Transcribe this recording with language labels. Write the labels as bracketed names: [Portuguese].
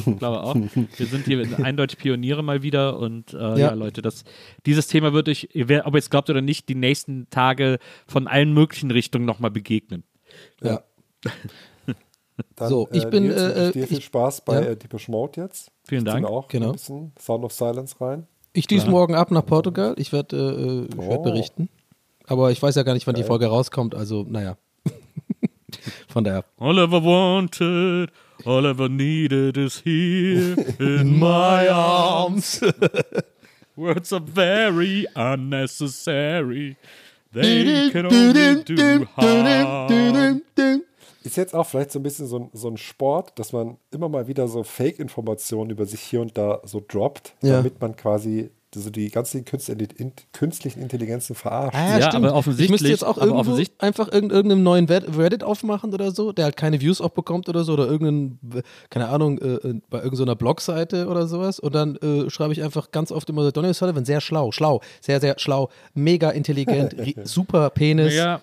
[German] Wir sind hier eindeutig Pioniere mal wieder. Und Leute, dieses Thema wird euch, ob ihr es glaubt oder nicht, die nächsten Tage von allen möglichen Richtungen nochmal begegnen. Ja. Dann, so, ich bin. Viel Spaß bei Depeche Mode jetzt. Vielen Dank. Auch ein bisschen Sound of Silence rein. Ich düse morgen ab nach Portugal. Ich werde berichten. Aber ich weiß ja gar nicht, wann die Folge rauskommt. Also, naja. Von daher. [English] All ever wanted, all ever needed is here in my arms. Words are very unnecessary. They can only do harm. [German] Ist jetzt auch vielleicht so ein bisschen so ein Sport, dass man immer mal wieder so Fake-Informationen über sich hier und da so droppt, damit man quasi also die ganzen künstlichen Intelligenzen verarscht. Ah, ja, stimmt. Aber offensichtlich, ich müsste jetzt auch irgendwo einfach irgendeinen neuen Reddit aufmachen oder so, der halt keine Views auch bekommt oder so, oder irgendein, keine Ahnung, bei irgendeiner Blogseite oder sowas, und dann schreibe ich einfach ganz oft immer Donald Sullivan, sehr schlau, sehr, sehr schlau, mega intelligent, super Penis, ja.